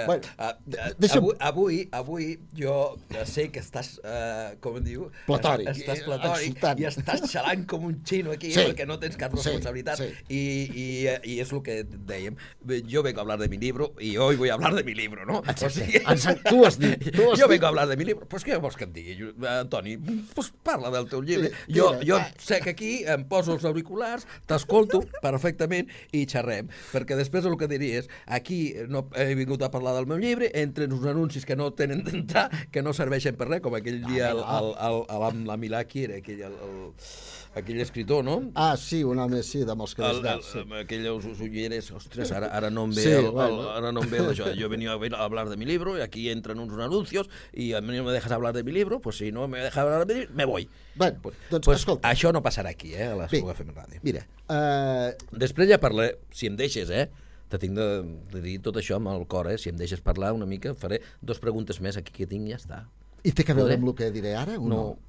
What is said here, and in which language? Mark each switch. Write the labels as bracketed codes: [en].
[ca] Bueno, avui jo sé que estàs, com diu... Platòric. Estàs platòric i estàs xalant com un xino aquí, sí, perquè no tens cap responsabilitat. Sí. I és el que dèiem. [es] Jo vengo a hablar de mi libro i hoy voy a hablar de mi libro, no? [ca] Tu has dit. [es] Jo vengo a hablar de mi libro. [ca] Pues què vols que et digui, Toni? Pues parla del teu llibre. Sí, jo sé que aquí em poso els auriculars, t'escolto perfectament i xerrem, perquè després el que diria és, aquí no he vingut a parlar del meu llibre, entre uns anuncis que no tenen d'entrar, que no serveixen per res, com aquell dia la Milà Kira, aquell escriptor, no? Ah, sí, un home, sí, de molts que desgrat. Sí. Aquells ulleres, ostres, ara no em ve, sí, ara no em ve això. [es] Jo venia a hablar de mi libro, i [ca] aquí entren uns [es] anuncios, i a mi no me dejas hablar de mi libro, pues si no me dejas hablar de mi libro, me voy. [ca] Bé, doncs, pues, escolta. Això no passarà aquí, a la Espluga FM Ràdio. Mira. Després ja parlaré, si em deixes, te tinc de dir tot això amb el cor, si em deixes parlar una mica, faré dues preguntes més aquí que tinc i ja està. I té que veure amb el que diré ara o no?